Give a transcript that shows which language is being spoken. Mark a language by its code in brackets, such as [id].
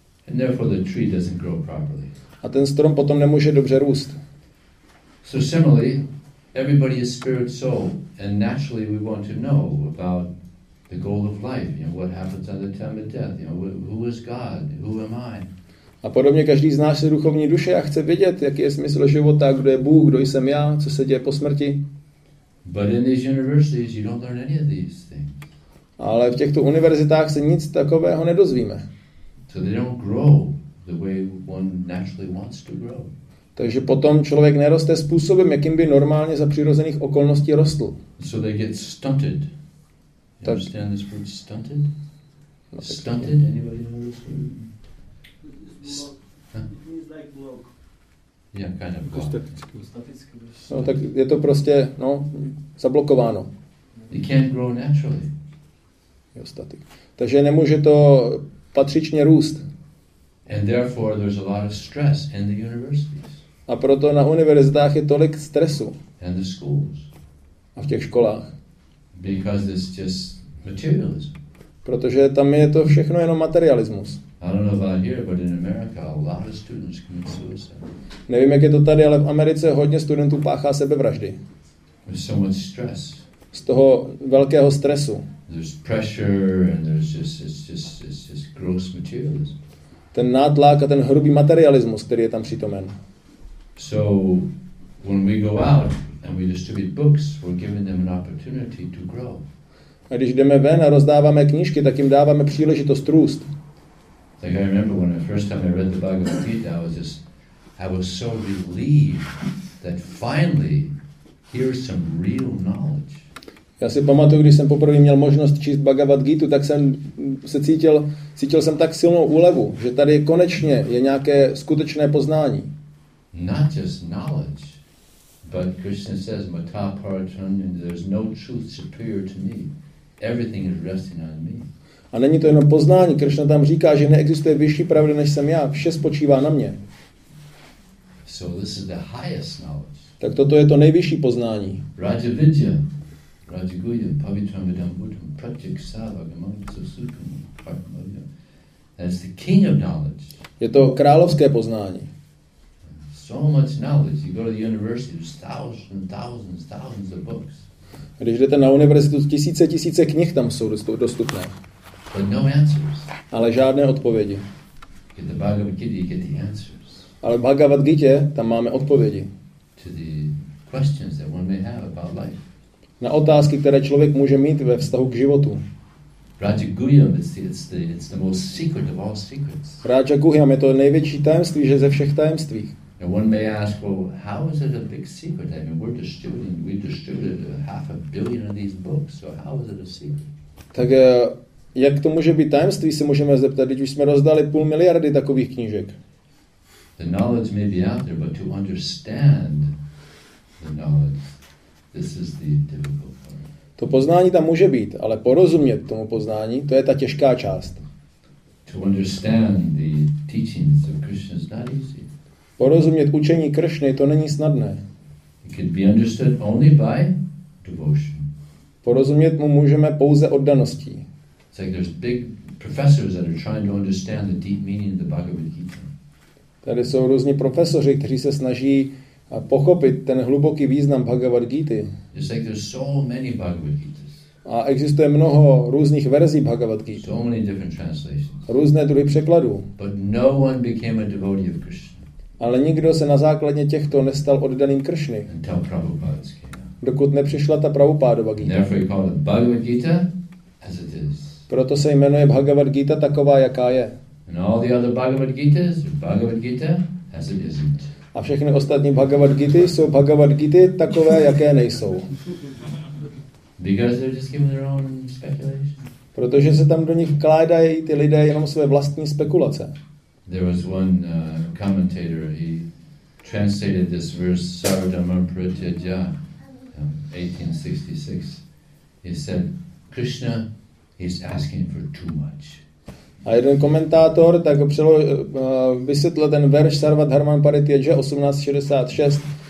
[en] And therefore the tree doesn't grow properly. [cs] A ten strom potom nemůže dobře růst. [en] So similarly, everybody is spirit soul, and naturally we want to know about the goal of life. You know, what happens at the time of death? You know, who is God? Who am I? [cs] A podobně každý z nás je duchovní duše a chce vědět, jaký je smysl života, kdo je Bůh, kdo jsem já, co se děje po smrti. [en] But in these universities you don't learn any of these things. [cs] Ale v těchto univerzitách se nic takového nedozvíme. [en] So they don't grow the way one naturally wants to grow. [cs] Takže potom člověk neroste způsobem, jakým by normálně za přirozených okolností rostl. [en] So they get stunted. You understand this word stunted? Stunted? Anybody know this word? Yeah, kind of blocked. [cs] No, tak je to prostě, no, zablokováno. [en] It can't grow naturally. Jo, static. [cs] Takže nemůže to patřičně růst. [en] And therefore there's a lot of stress in the universities. [cs] A proto na univerzitách je tolik stresu. [en] And the schools. [cs] A v těch školách. [en] Because it's just materialism. [cs] Protože tam je to všechno jenom materialismus. [en] I don't know about here, but in America, a lot of students commit suicide. [cs] Nevím, jak je to tady, ale v Americe hodně studentů páchá sebevraždy. [en] There's so much stress. [cs] Z toho velkého stresu. [en] There's pressure and there's just gross materialism. [cs] Ten nátlak a ten hrubý materialismus, který je tam přítomen. [en] So when we go out and we distribute books, we're giving them an opportunity to grow. [cs] A když jdeme ven a rozdáváme knížky, tak jim dáváme příležitost růst. [en] Like I remember when the first time I read the Bhagavad Gita, I was so relieved that finally here's some real knowledge. [cs] Já si pamatuju, když jsem poprvé měl možnost číst Bhagavad Gita, tak jsem se cítil jsem tak silnou úlevu, že tady konečně je nějaké skutečné poznání. [en] Not just knowledge, but Krishna says, [sa] "Mata Paratranya, [en] there's no truth superior to me. Everything is resting on me." [cs] A není to jenom poznání. Krishna tam říká, že neexistuje vyšší pravda než jsem já. Vše spočívá na mě. [en] So this is the highest knowledge. [cs] Tak toto je to nejvyšší poznání. [sa] Raja Vidya, Raja Guya, Pavitram Vidam Budham, Pratyak Savagam, Sukam, Parmavya. [en] That's the king of knowledge. [cs] Je to královské poznání. [en] So much knowledge. You go to the university, there's thousands of books. [cs] Když jdete na univerzitu, tisíce knih tam jsou dostupné. [en] But no answers. [cs] Ale žádné odpovědi. [en] Get the Bhagavad Gita, you get the answers. [cs] Ale v Bhagavad Gita tam máme odpovědi. [en] To the questions that one may have about life. [cs] Na otázky, které člověk může mít ve vztahu k životu. [en] Raja Guhyam, it's the most secret of all secrets. [cs] Raja Guhyam je to největší tajemství, že ze všech tajemství. [en] And one may ask, well, how is it a big secret? I mean, we distributed half a billion of these books, so how is it a secret? [cs] Tak jak to může být tajemství, se můžeme zeptat, když už jsme rozdali 500 000 000 takových knížek. [en] The knowledge may be out there, but to understand the knowledge, this is the difficult part. [cs] To poznání tam může být, ale porozumět tomu poznání, to je ta těžká část. [en] To understand the teachings of Krishna is not easy. [cs] Porozumět učení Krishny, to není snadné. [en] It can be understood only by devotion. [cs] Porozumět mu můžeme pouze oddaností. [en] It's like there's big professors that are trying to understand the deep meaning of the Bhagavad Gita. [cs] Tady jsou různí profesoři, kteří se snaží pochopit ten hluboký význam Bhagavad Gita. [en] It's like there's so many Bhagavad Gitas. [cs] A existuje mnoho různých verzí Bhagavad Gita. [en] So many different translations. [cs] Různé druhy překladů. [en] But no one became a devotee of Krishna. [cs] Ale nikdo se na základě těchto nestal oddaným Kršny. [en] Until Prabhupada came. [cs] Dokud nepřišla ta Prabhupádova Gita. [en] Therefore you call it Bhagavad Gita as it is. [cs] Proto se jmenuje Bhagavad Gita taková, jaká je. [en] And all the other Bhagavad Gitas, Bhagavad Gita as it isn't. [cs] A všechny ostatní Bhagavad Gity jsou Bhagavad Gity takové, jaké nejsou. [en] Because they're just giving their own speculation. [cs] Protože se tam do nich vkládají ty lidé jenom své vlastní spekulace. [en] There was one commentator, he translated this verse Sarvadharma Pratyaja 1866. He said Krishna is asking for too much. [cs] A jeden komentátor tak vysvětlil ten verš Sarvadharma Pratyaja 1866.